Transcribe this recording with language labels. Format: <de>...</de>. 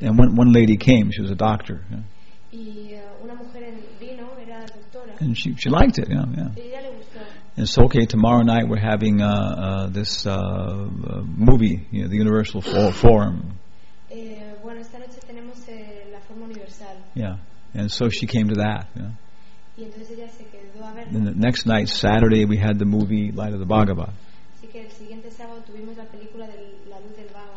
<en>And one lady came, she was a doctor. Yeah.</en> <es>Y una mujer vino, era doctora.</es> <en>And she liked it, yeah. Yeah.</en> <es>Y ella le gustó.</es> <en>And so, okay, tomorrow night we're having this movie, you know, the Universal Forum.</en> <es>Bueno, esta noche tenemos la forma universal.</es> <en>Yeah, and so she came to that. You know?</en> <es>Y entonces ella se quedó a verla.</es> <en>Then the next night, Saturday, we had the movie Light of the Bhagavad.</en> <es>Así que el siguiente sábado tuvimos la película de la luz del Bhagavad.</es>